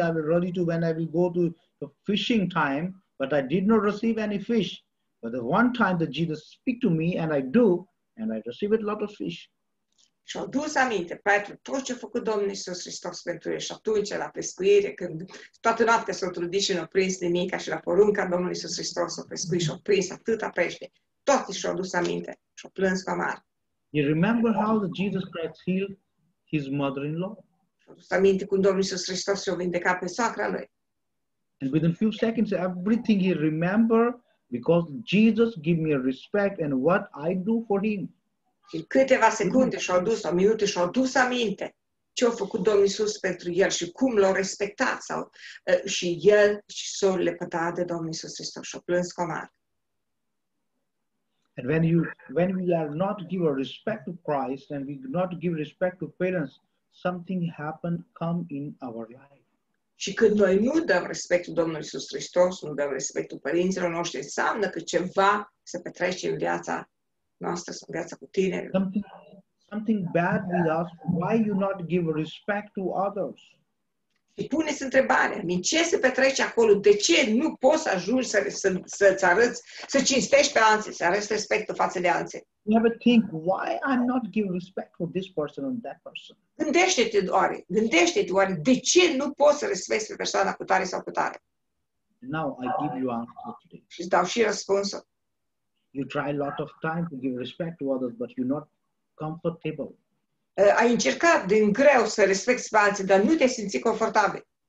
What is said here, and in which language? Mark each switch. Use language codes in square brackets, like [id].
[en] I was ready to when I will go to the fishing time, but I did not receive any fish. But the one time that Jesus speak to me and I do, and I receive a lot of fish. [ro] Și a dus aminte, Petru, tot ce a făcut Domnul Iisus Hristos pentru el. Și atunci, la pescuire, când toată noaptea s-a trudit și nu a prins nimic, și la porunca Domnului Iisus Hristos s-a pescuit și a prins atâta pește. Tot și a dus aminte și a plâns cu amar. [en] You remember how the Jesus Christ healed his mother-in-law? [ro] Și a dus aminte cum Domnul Iisus Hristos și-a vindecat pe soacra lui. [en] And within a few seconds, everything he remember, because Jesus give me a respect and what I do for him. [ro] Și câteva secunde și-a dus, o minute și-a dus aminte ce a făcut Domnul Iisus pentru el și cum l-a respectat. Și el și s-a lepădat de Domnul Iisus Hristos și-a plâns cu amar. [en] And when we are not give a respect to Christ and we not give respect to parents, something happen come in our life. [ro] Și când noi nu dăm respectul Domnului Iisus Hristos, nu dăm respectul părinților noștri, înseamnă că ceva se petrece în viața noastră, în viața cu tineri. [en] Something bad with us, why you not give respect to others? [ro] Și pune-ți întrebarea, din ce se petrece acolo, de ce nu poți ajungi să-ți arăți, să cinstești pe alții, să arăți respectul față de alții? [en] Never think, why I'm not giving respect for this person and that person? [ro] Gândește-te, oare, de ce nu poți să respecti pe persoana cu tare sau cu tare? [en] Now I give you answer today. [ro] Și îți dau și răspunsul. [en] You try a lot of time to give respect to others, but you're not comfortable. [ro] Ai încercat din greu să respecti pe alții, dar nu te simți confortabil.